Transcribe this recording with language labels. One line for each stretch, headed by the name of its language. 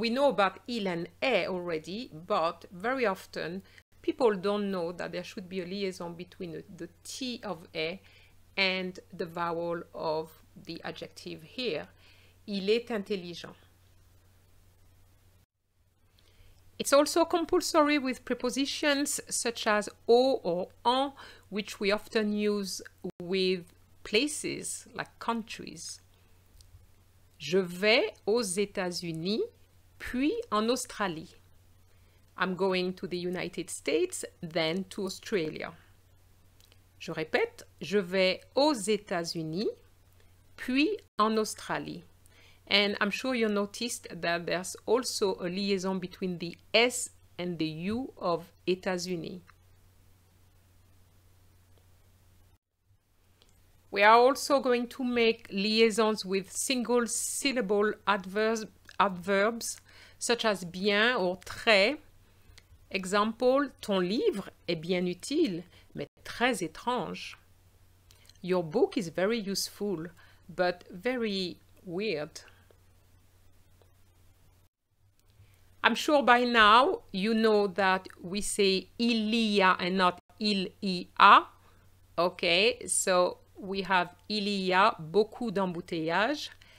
English: We know about il and est already, but very often people don't know that there should be a liaison between the T of est and the vowel of the adjective here.
French: Il est intelligent.
English: It's also compulsory with prepositions such as au or en, which we often use with places like countries.
French: Je vais aux États-Unis, puis en Australie.
English: I'm going to the United States, then to Australia.
French: Je répète, je vais aux États-Unis, puis en Australie.
English: And I'm sure you noticed that there's also a liaison between the S and the U of États-Unis. We are also going to make liaisons with single syllable adverbs such as bien or très.
French: Example, ton livre est bien utile, mais très étrange.
English: Your book is very useful, but very weird. I'm sure by now you know that we say
French: il y a
English: and not il y a. Okay, so we have
French: il y a beaucoup d'embouteillages.